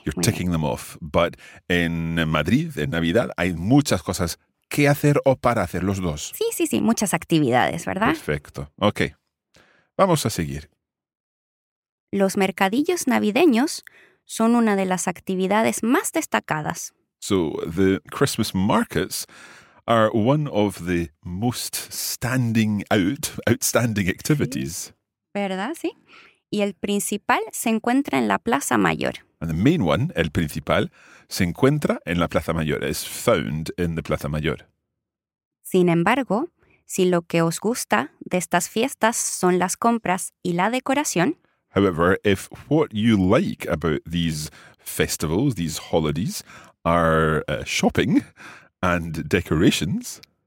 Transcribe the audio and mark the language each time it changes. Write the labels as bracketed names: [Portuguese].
[English] You're ticking them off. But [Spanish] en Madrid, en Navidad, hay muchas cosas que hacer o para hacer, los dos. Sí, sí, sí. Muchas actividades, ¿verdad? Perfecto. Okay. Vamos a seguir. Los mercadillos navideños son una de las actividades más destacadas. [English] So, the Christmas markets are one of the most outstanding activities. [Spanish] Sí, ¿verdad? Sí. Y el principal se encuentra en la Plaza Mayor. [English] And the main one, [Spanish] el principal, se encuentra en la Plaza Mayor. [English] It's found in the Plaza Mayor. [Spanish] Sin embargo, Si lo que os gusta de estas fiestas son las compras y la decoración. [English] However, if what you like about these festivals, these holidays, are shopping and decorations.